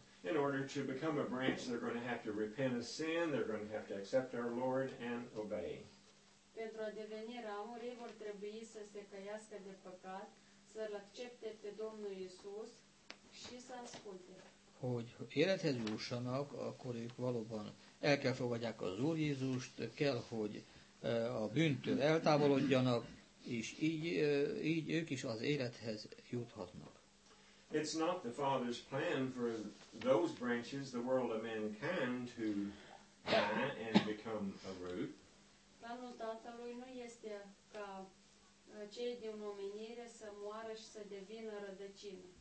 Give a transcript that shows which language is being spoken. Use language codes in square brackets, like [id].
[en] In order to become a branch, they're going to have to repent of sin, they're going to have to accept our Lord and obey. [ro] Pentru a deveni ramuri, ei vor trebui să se căiască de păcat, să-L accepte pe Domnul Iisus și să asculte. [hu] Hogy élethez jussanak, akkor ők valóban el kell fogadják az Úr Jézust, kell, hogy a bűntől eltávolodjanak, és így ők is az élethez juthatnak. [en] It's not the Father's plan for those branches, the world of mankind, to die and become a root. [ro] Planul Tatălui nu este ca cei din omenire să moară și să devină rădăcină.